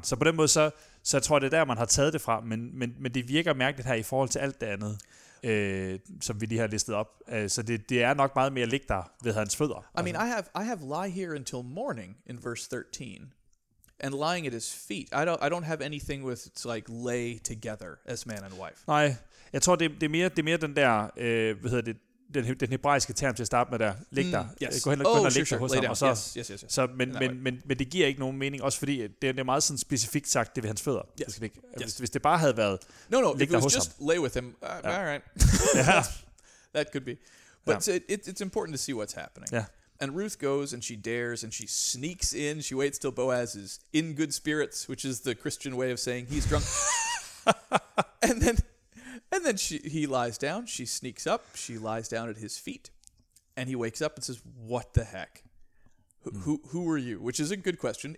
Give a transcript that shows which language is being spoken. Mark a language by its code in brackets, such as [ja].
[da] Så på den måde, så jeg tror, det er der, man har taget det fra, men det virker mærkeligt her i forhold til alt det andet. Som vi lige har listet op. Så det er nok meget mere ligge der ved hans fødder. [en] I mean, I have lie here until morning in verse 13, and lying at his feet. I don't have anything with to like lay together as man and wife. [da] Nej, jeg tror det er mere den der den hebraiske term til at starte med der ligge der. [en] Yes. [da] Gå hen og ligge der hos ham. [en] Yes. [da] Så men det giver ikke nogen mening også fordi det er meget sådan specifikt sagt det ved hans fødder. [en] Yes. [da] Hvis det bare havde været ligge der hos ham. [en] No, if it was just lay with him. Yeah. All right. Yeah. That could be. But yeah. it's important to see what's happening. Yeah. And Ruth goes and she dares and she sneaks in. She waits till Boaz is in good spirits, which is the Christian way of saying he's drunk. And then he lies down, she sneaks up, she lies down at his feet, and he wakes up and says, what the heck? Who are you? Which is a good question.